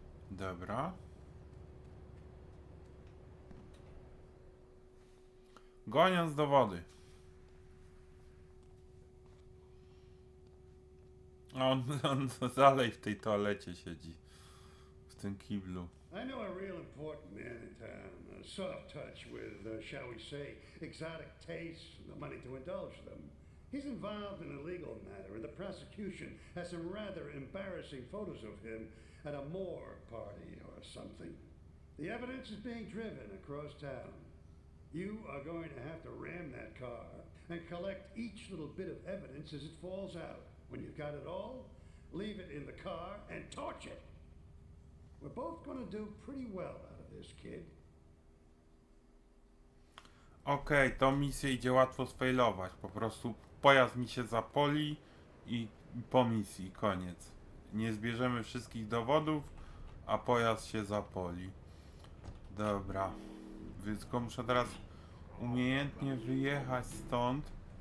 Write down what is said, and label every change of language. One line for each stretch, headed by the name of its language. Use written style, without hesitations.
Polish: Dobra. Goniąc do wody. On dalej w tej toalecie siedzi. W tym kiblu.
English: I know a real important man in town. A soft touch with, shall we say, exotic tastes and the money to indulge them. He's involved in a legal matter, and the prosecution has some rather embarrassing photos of him at a morgue party or something. The evidence is being driven across town. You are going to have to ram that car and collect each little bit of evidence as it falls out. When you've got it all, leave it in the car and torch it. We're both gonna do pretty well out of this, kid.
Polish: Okej, tą misję idzie łatwo sfejlować. Po prostu pojazd mi się zapoli i po misji, koniec. Nie zbierzemy wszystkich dowodów, a pojazd się zapoli. Dobra. Więc go muszę teraz umiejętnie wyjechać stąd.